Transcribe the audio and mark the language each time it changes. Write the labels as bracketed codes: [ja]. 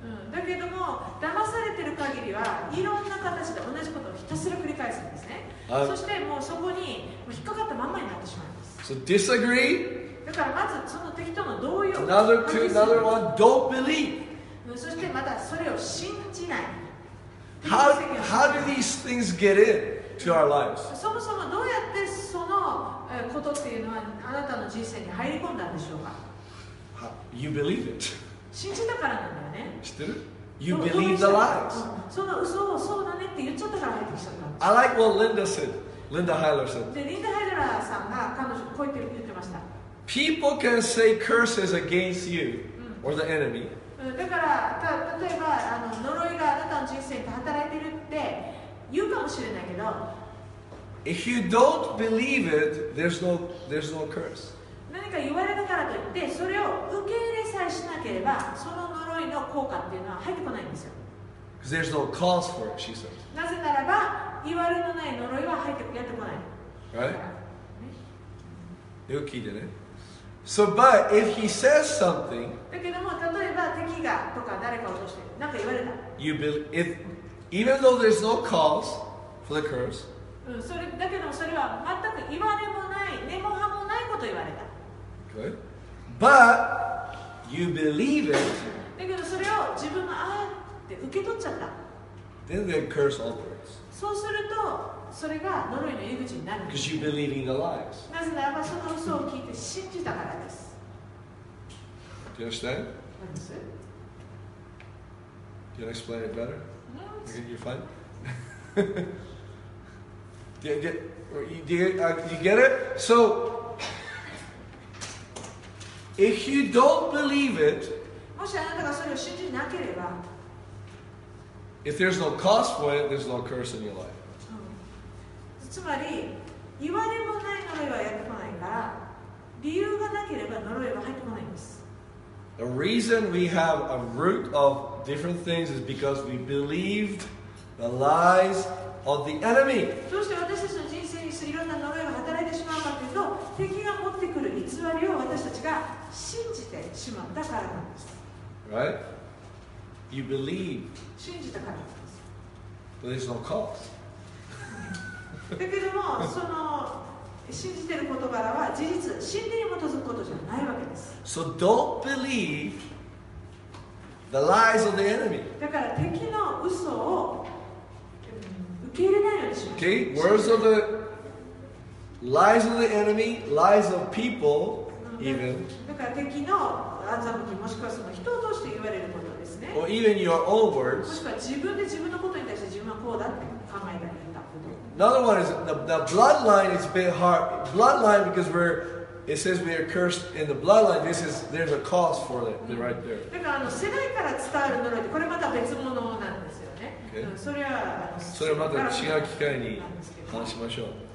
[ja] だけども騙されている限りはいろんな形で同じことをひたすら繰り返すんですね。そしてもうそこに引っかかったまんまになってしまいます。 [en] So disagree. [ja] だからまずその敵との同意を [en] another two, another one, don't believe. [ja] そしてまたそれを信じない。 [en] How do these things get in to our lives? [ja] そもそもどうやってそのことっていうのはあなたの人生に入り込んだんでしょうか。 [en] You believe it. [ja] 信じたからなんだよね。知ってる？ [en] You believe the lies. [ja] その嘘をそうだねって言っちゃったから入ってきちゃった。 [en] I like what Linda said. Linda Heiler said. [ja] で、リンダ・ハイラーさんが彼女こう言ってました。 [en] People can say curses against you or the enemy. [ja] だから例えば呪いがあなたの人生に働いてるって言うかもしれないけど、 [en] If you don't believe it, there's no curse. [ja] 何か言われたからといってそれを受け入れさえしなければその呪いの効果っていうのは入ってこないんですよ。 [en] Because there's no cause for it, she said. [ja] なぜならば言われのない呪いは入ってやってこない。 [en] Right? [ja] よく聞いてね。 [en] So, but if he says something, [ja] だけども例えば敵がとか誰かを通して何か言われた。 [en] You believe, if, even though there's no cause for the curse, [ja] それだけどもそれは全く言われもない根も葉もないこと言われた。 [en] Good. But you believe it, [ja] だけどそれを自分があって受け取っちゃった。 [en] Then the curse operates. [ja] そうするとそれが呪いの入り口になる。 [en] Because you believe in the lies. [ja] なぜならばその嘘を聞いて信じたからです。 [en] Do you understand? Understand? Can I explain it better? No, it's... You're fine? do you get it? So if you don't believe it, [ja] もしあなたがそれを信じなければ [en] If there's no cause for it, there's no curse in your life. [ja] つまり言われもない呪いはやってこないから理由がなければ呪いは入ってこないんです。 [en] The reason we have a root of different things is because we believed the lies of the enemy. [ja] どうして私たちの人生にいろんな呪いが働いてしまうかというと、敵が持ってくる偽りを私たちが信じてしまったからなんです。 [en] Right? You believe. [ja] 信じたからなんです。 [en] But there's no cost. [ja] だけども、その信じてる言葉は事実、真理に基づくことじゃないわけです。 [en] So don't believe the lies of the enemy. [ja] だから敵の嘘を受け入れないようにします。 [en] Okay, words of the lies of the enemy, lies of people, even. [ja] だから敵の欺き、もしくはその人として言われることですね。 [en] Or even your own words. [ja] もしくは自分で自分のことに対して自分はこうだって考えたり。 [en] Another one is the bloodline is a bit hard. Bloodline because we're, it says we are cursed in the bloodline. This is, there's a cause for it, mm-hmm. right there.